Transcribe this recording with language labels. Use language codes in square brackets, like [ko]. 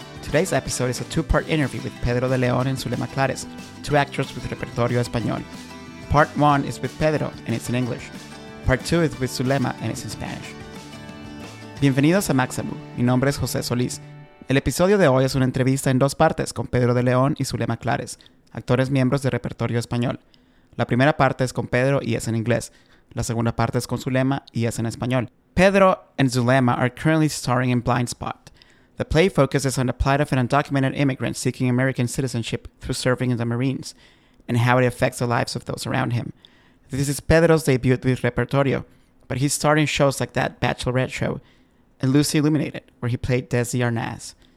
[en] Today's episode is a two-part interview with Pedro de León and Zulema Clares, two actors with Repertorio Español. Part one is with Pedro, and it's in English. Part two is with Zulema, and it's in Spanish. [es] Bienvenidos a Maximum. Mi nombre es Jose Solis. El episodio de hoy es una entrevista en dos partes con Pedro de León y Zulema Clares, actores miembros de Repertorio Español. La primera parte es con Pedro y es en inglés. La segunda parte es con Zulema y es en español. [en] Pedro and Zulema are currently starring in Blind Spot. The play focuses on the plight of an undocumented immigrant seeking American citizenship through serving in the Marines and how it affects the lives of those around him. This is Pedro's debut with Repertorio, but he's starring shows like That Bachelorette Show and Lucy Illuminated, where he played Desi Arnaz.